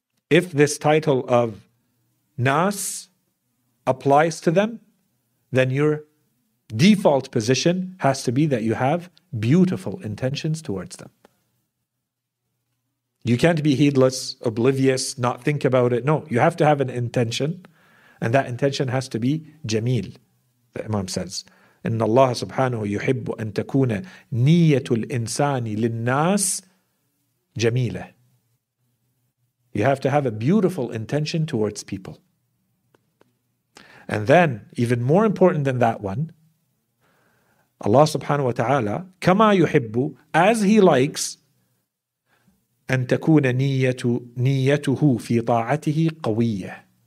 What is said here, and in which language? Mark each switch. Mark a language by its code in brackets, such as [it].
[en] If this title of Nas applies to them, then your default position has to be that you have beautiful intentions towards them. You can't be heedless, oblivious, not think about it. No, you have to have an intention, and that intention has to be jameel, the Imam says. [ar] إن الله سبحانه يحب أن تكون نية الإنسان للناس جميلة. [en] You have to have a beautiful intention towards people. And then, even more important than that one, Allah subhanahu wa ta'ala, [ar] كما يحب, [en] as He likes, [ar] أن تكون نيته في طاعته قوية.